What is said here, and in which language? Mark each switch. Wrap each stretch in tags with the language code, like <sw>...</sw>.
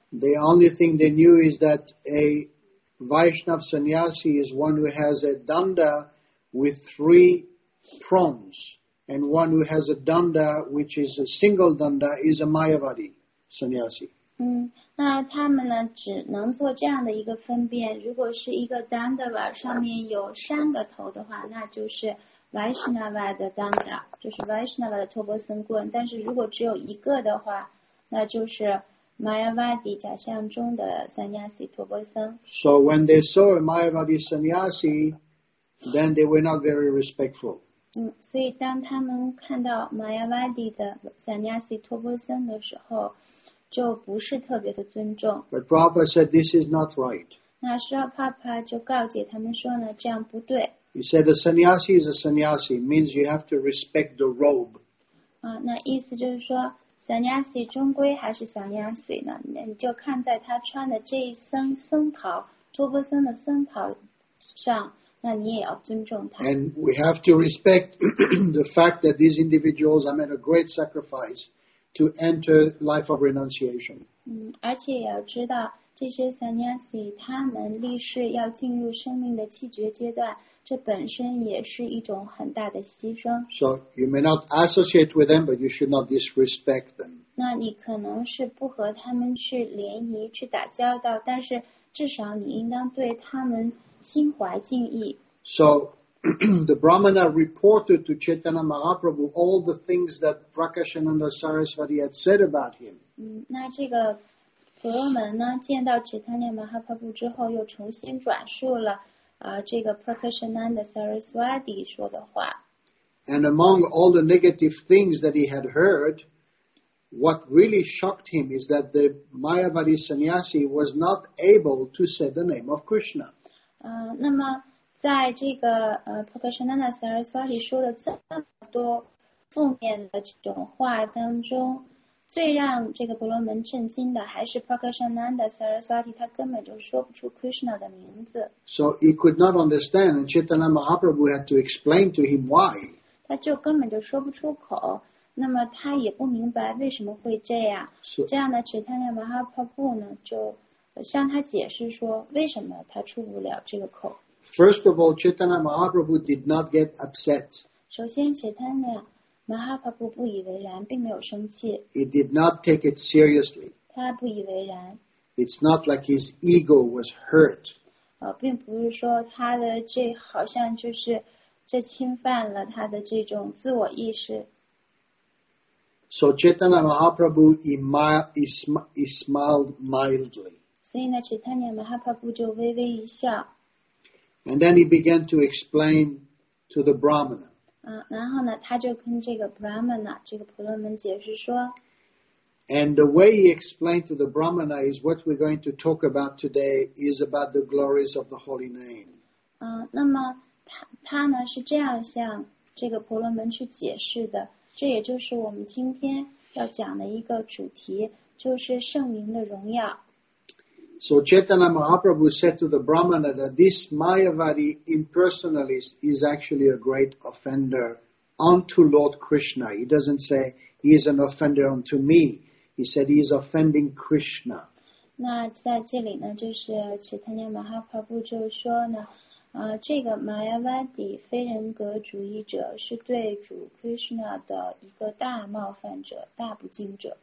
<en>The only thing they knew is that a Vaishnav sannyasi is one who has a danda with three prongs, and one who has a danda, which is a single danda, is a Mayavadi sannyasi.</en> <zh>嗯，那他们呢只能做这样的一个分辨，如果是一个 Dandava 上面有三个头的话，那就是 Vaishnava 的 Danda， 就是 Vaishnava 的托钵僧棍，但是如果只有一个的话，那就是 Mayavadi 假象中的 Sannyasi 托钵僧。</zh> <en>So when they saw a Mayavadi Sannyasi, then they were not very respectful.</en> <zh>嗯，所以当他们看到 Mayavadi 的 Sannyasi 托钵僧的时候，就不是特别的尊重。</zh> <en>But Prabhupada said this is not right.</en> <zh>那Srila Prabhupada就告诫他们说呢，这样不对。</zh> <en>He said a sannyasi is a sannyasi, means you have to respect the robe.</en> <zh>那意思就是说 ，sannyasi 终归还是 sannyasi 呢，那你就看在他穿的这一身僧袍，托钵僧的僧袍上，那你也要尊重他。</zh> <en>And we have to respect the fact that these individuals have made a great sacrifice. To enter life of renunciation.</en> <zh>而且也要知道这些 sannyasi 他们立誓要进入生命的弃绝阶段，这本身也是一种很大的牺牲。</zh> <en>So you may not associate with them, but you should not disrespect them.</en> <zh>那你可能是不和他们去联谊、去打交道，但是至少你应当对他们心怀敬意。</zh> <en>So the Brahmana reported to Chaitanya Mahaprabhu all the things that Prakashananda Sarasvati had said about him.</en> <zh>那这个婆罗门呢，见到 Chaitanya Mahaprabhu 之后，又重新转述了这个 Prakashananda Sarasvati 说的话。</zh> <en>And among all the negative things that he had heard, what really shocked him is that the Mayavadi sannyasi was not able to say the name of Krishna.</en> <zh>那么在这个Prakashananda Saraswati 说了这么多负面的这种话当中，最让这个婆罗门震惊的还是 Prakashananda Saraswati， 他根本就说不出 Krishna 的名字。</zh> <en>So he could not understand, and Chaitanya Mahaprabhu had to explain to him why.</en> <zh>他就根本就说不出口，那么他也不明白为什么会这样。 So, 这样的 Chaitanya Mahaprabhu 呢，就向他解释说为什么他出不了这个口。</zh> <en>First of all, Chaitanya Mahaprabhu did not get upset.</en> <zh>首先 Chaitanya Mahaprabhu 不以为然，并没有生气。</zh> <en>He did not take it seriously.</en> <zh>他不以为然。</zh> <en>It's not like his ego was hurt.</en> <zh>并不是说他的这好像就是这侵犯了他的这种自我意识。</zh> <en>So Chaitanya Mahaprabhu smiled mildly.</en> <zh>所以呢 Chaitanya Mahaprabhu 就微微一笑。</zh> <en>And then he began to explain to the Brahmana.</en> <zh>然后呢，他就跟这个 Brahmana， 这个婆罗门解释说。</zh> <en>And the way he explained to the Brahmana is what we're going to talk about today is about the glories of the holy name.</en> <zh>那么他呢是这样向这个婆罗门去解释的，这也就是我们今天要讲的一个主题，就是圣名的荣耀。</zh> <en>So Chaitanya Mahaprabhu said to the Brahmana that this Mayavadi impersonalist is actually a great offender unto Lord Krishna. He doesn't say he is an offender unto me. He said he is offending Krishna.</en> <zh>那在这里呢，就是 Chaitanya Mahaprabhu 就说呢，这个 Mayavadi 非人格主义者是对主 Krishna 的一个大冒犯者，大不敬者。</zh>